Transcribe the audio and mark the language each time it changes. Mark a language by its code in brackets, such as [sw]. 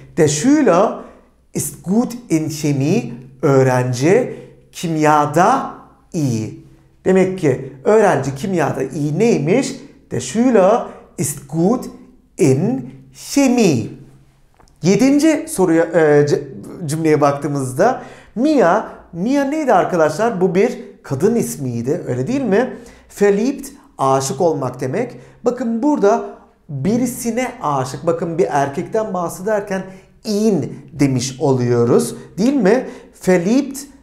[de] Der Schüler ist gut in Chemie. [tr] Öğrenci kimyada iyi. Demek ki öğrenci kimyada iyi neymiş? [de] Der Schüler ist gut in Chemie. [tr] Yedinci soruya cümleye baktığımızda Mia neydi arkadaşlar? Bu bir kadın ismiydi. Öyle değil mi? Verliebt, aşık olmak demek. Bakın burada birisine aşık. Bakın bir erkekten bahsederken in demiş oluyoruz. Değil mi? Verliebt.